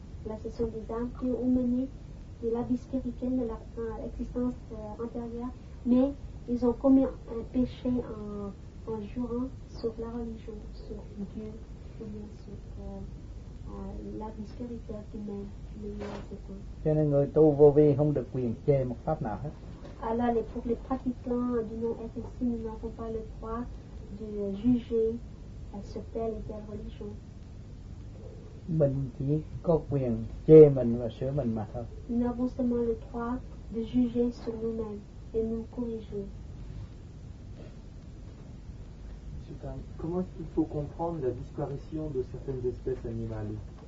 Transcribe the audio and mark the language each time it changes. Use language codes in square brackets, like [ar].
[fr] Là, ce sont des âmes qui ont mené de la vie spirituelle, de leur existence antérieure, mais ils ont commis un péché en jurant sur la religion, sur Dieu, ou bien sur la vie spirituelle qui mène le meilleur. Alors, pour les pratiquants du non-FSI, nous n'avons pas le droit de juger sur telle et telle religion. [vi] mình chỉ có quyền chê mình và sửa mình mà thôi. [fr] Nous avons seulement le droit de juger sur nous-mêmes et nous corriger. Comment est-ce qu'il faut comprendre la disparition de certaines espèces animales?